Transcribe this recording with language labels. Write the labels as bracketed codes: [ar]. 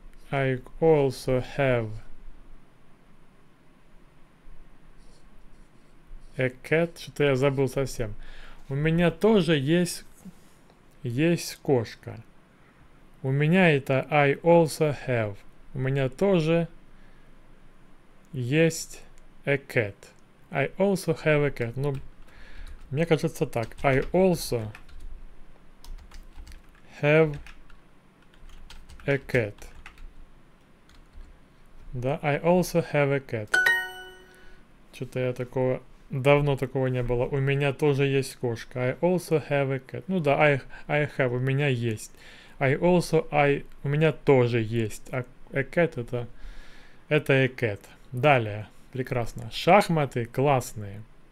[en] I also have a cat. [ru] Что-то я забыл совсем. У меня тоже есть кошка. У меня это [en] I also have. [ru] У меня тоже есть [en] a cat. I also have a cat. [ru] Ну, мне кажется так. [en] I also have a cat. Да, I also have a cat. [ru] Что-то я такого... Давно такого не было. У меня тоже есть кошка. [en] I also have a cat. [ru] Ну да, [en] I have, [ru] у меня есть. [en] I also, [ru] у меня тоже есть. А cat это... Это экет. Далее. Прекрасно. Шахматы классные.